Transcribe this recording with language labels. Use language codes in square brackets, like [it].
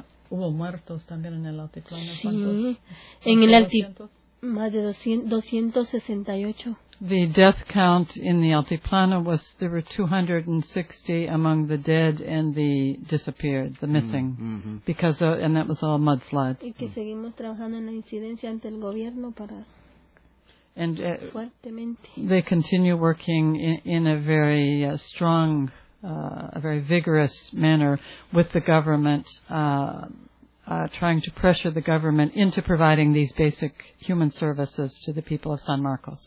[es] Hubo muertos también en el altiplano. Sí, en el altiplano, más de 268. [en] The death count in the Altiplano was, there were 260 among the dead and the disappeared, the missing, mm-hmm. because of, and that was all mudslides. [es] Y que seguimos trabajando en la incidencia ante el gobierno para [en] and, [es] fuertemente. [en] They continue working in a very strong, a very vigorous manner with the government, trying to pressure the government into providing these basic human services to the people of San Marcos.